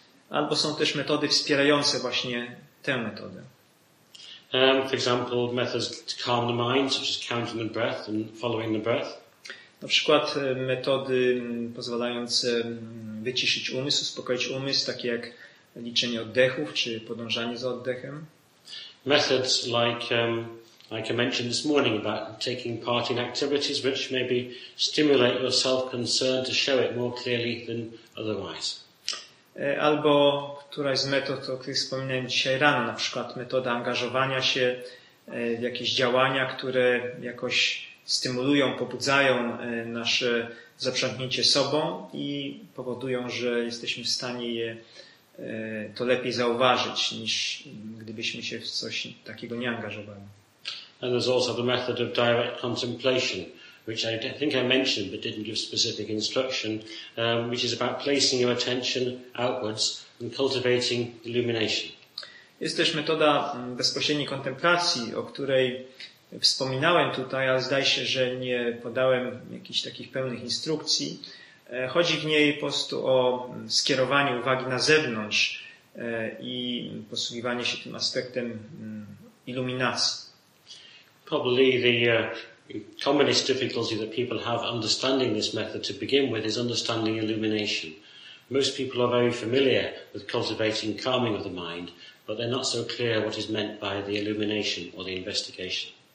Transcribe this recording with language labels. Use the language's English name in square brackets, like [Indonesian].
[Polish] Albo są też metody wspierające właśnie tę metodę. [English] For example, methods to calm the mind, such as counting the breath and following the breath. [Polish] Na przykład metody pozwalające wyciszyć umysł, uspokoić umysł, takie jak liczenie oddechów czy podążanie za oddechem. [English] Methods like I mentioned this morning about taking part in activities which maybe stimulate your self-concern to show it more clearly than otherwise. [Polish] Albo któraś z metod, o których wspominałem dzisiaj rano, na przykład metoda angażowania się w jakieś działania, które jakoś stymulują, pobudzają nasze zaprzątnięcie sobą i powodują, że jesteśmy w stanie je to lepiej zauważyć, niż gdybyśmy się w coś takiego nie angażowali. [English] And there's also the method of direct contemplation, which I think I mentioned but didn't give specific instruction, which is about placing your attention outwards and cultivating illumination. [Polish] Jest też metoda bezpośredniej kontemplacji, o której wspominałem tutaj, ale zdaje się, że nie podałem jakichś takich pełnych instrukcji. Chodzi w niej po prostu o skierowanie uwagi na zewnątrz i posługiwanie się tym aspektem iluminacji. [English] Probably the commonest difficulty that people have understanding this method to begin with is understanding illumination. Most people are very familiar with cultivating calming of the mind, but they're not so clear what is meant by the illumination or the investigation.